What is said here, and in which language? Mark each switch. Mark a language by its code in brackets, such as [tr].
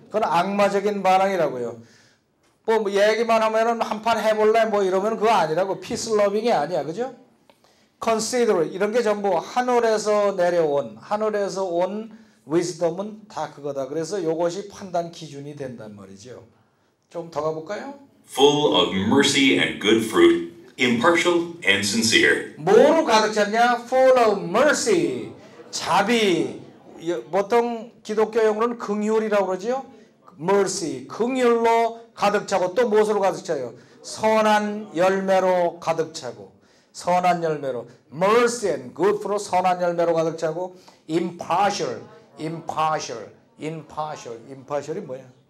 [ko] 그건 악마적인 반응이라고요. 뭐 얘기만 하면은 한판 해볼래 뭐 이러면 그거 아니라고. Peace loving이 아니야, 그죠? Consider 이런 게 전부 하늘에서 내려온 하늘에서 온 wisdom은 다 그거다. 그래서 이것이 판단 기준이 된단 말이죠. 좀 더 가볼까요? [en] Full of mercy and good fruit, impartial and sincere. [ko] 뭐로 가득 찼냐? [en] Full of mercy, [ko] 자비. 보통 기독교 용어는 긍휼이라고 그러지요. Mercy, 긍휼로 가득 차고 또 무엇으로 가득 차요? 선한 열매로 가득 차고. 선한 열매로 [en] mercy and good fruit [ko] 선한 열매로 가득 차고 impartial이 뭐야?